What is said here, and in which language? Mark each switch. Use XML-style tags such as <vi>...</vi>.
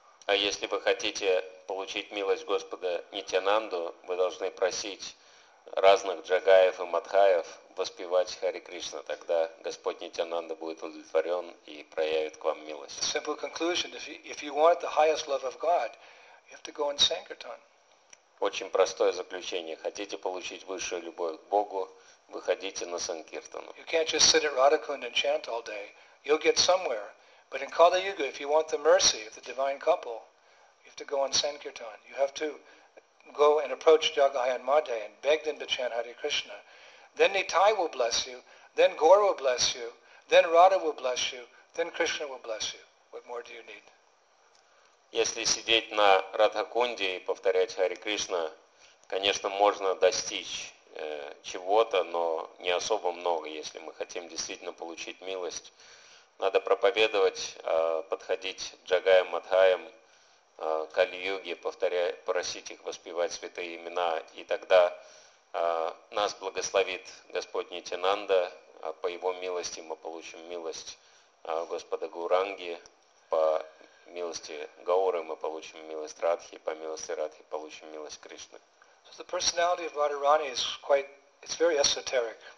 <ru>А если вы хотите получить милость Господа Нитянанду, вы должны просить разных джагаев и мадхаев воспевать Хари Кришна, тогда Господь Нитянанда будет удовлетворен и проявит к вам милость.</ru> <en>Simple conclusion: if you want the highest love of God, you have to go in sankirtan.</en> <ru>Очень простое заключение: хотите получить высшую любовь к Богу, выходите на санкиртану.</ru> <en>You can't just sit at Radhakund and chant all day. You'll get somewhere. But in Kali Yuga, if you want the mercy of the divine couple, you have to go on Sankirtan. You have to go and approach Jagayan Mahade and beg them to chant Hare Krishna. Then Nitai will bless you. Then Gaur will bless you. Then Radha will bless you. Then Krishna will bless you. What more do you need?</en> <ru>Если сидеть на Радхакунде и повторять Hare Krishna, конечно, можно достичь чего-то, но не особо много, если мы хотим действительно получить милость. Надо проповедовать, подходить джагаям, мадхаям, кали-юге, повторяя, просить их воспевать святые имена, и тогда нас благословит Господь Нитянанда, по Его милости мы получим милость Господа Гауранги, по милости Гауры мы получим милость Радхи, по милости Радхи получим милость Кришны.</ru> <en>So the personality of Radharani is quite, it's very esoteric.</en>